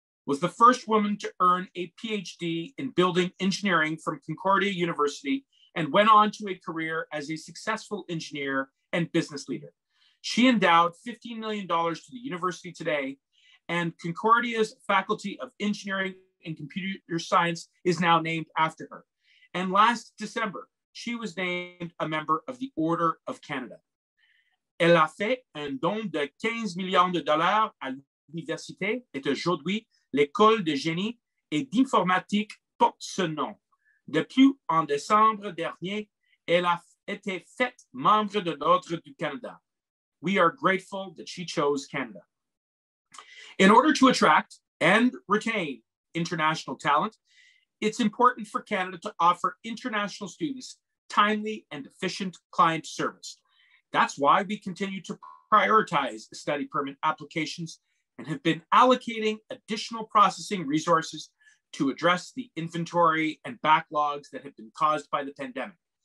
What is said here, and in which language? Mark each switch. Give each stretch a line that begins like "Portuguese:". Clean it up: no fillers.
English: Was the first woman to earn a PhD in building engineering from Concordia University and went on to a career as a successful engineer and business leader. She endowed $15 million to the university today, and Concordia's Faculty of Engineering and Computer Science is now named after her. And last December, she was named a member of the Order of Canada.
French: Elle a fait un don de 15 millions de dollars à l'université et aujourd'hui, l'École de génie et d'informatique porte ce nom. Depuis, en décembre dernier, elle a été faite membre de l'Ordre du Canada.
English: We are grateful that she chose Canada. In order to attract and retain international talent, it's important for Canada to offer international students timely and efficient client service. That's why we continue to prioritize study permit applications and have been allocating additional processing resources to address the inventory and backlogs that have been caused by the pandemic.